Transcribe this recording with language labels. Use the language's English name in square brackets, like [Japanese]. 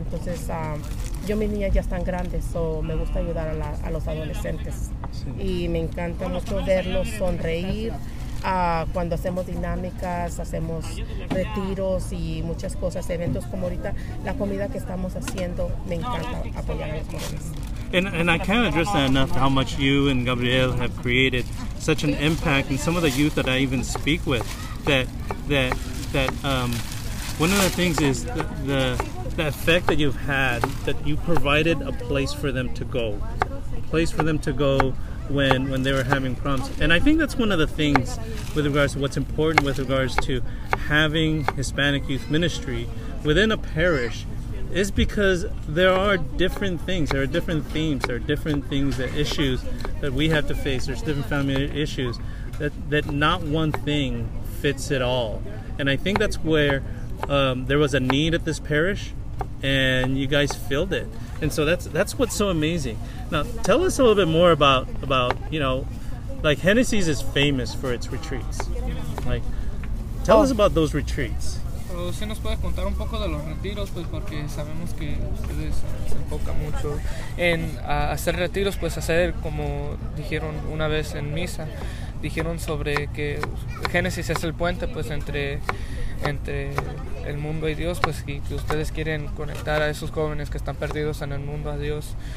[Spanish] Entonces, yo mis niñas ya están grandes, so me gusta ayudar a los adolescentes. Y me encanta mucho verlos sonreír. Cuando hacemos dinámicas, hacemos retiros y muchas cosas, eventos como ahorita, la comida que estamos haciendo, me encanta apoyar a los jóvenes. [English] And I can't address that enough, how much you and Gabriel have created such an impact in some of the youth that I even speak with, that one of the things is the effect that you've had, that you provided a place for them to go. When they were having problems. And I think that's one of the things with regards to what's important with regards to having Hispanic youth ministry within a parish, is because there are different things, there are different themes, there are different things, that issues that we have to face, there's different family issues, that not one thing fits it all. And I think that's where there was a need at this parish, and you guys filled it. And so that's what's so amazing. Now, tell us a little bit more about you know, like Hennessy's is famous for its retreats. Like, tell us about those retreats. [Spanish] ¿Usted nos puede contar un poco de los retiros, pues, porque sabemos que ustedes se enfocan mucho en hacer retiros, pues, hacer como dijeron una vez en misa, dijeron sobre que Hennessy's es el puente, pues, entre el mundo y Dios, pues, y que ustedes quieren conectar a esos jóvenes que están perdidos en el mundo a Dios.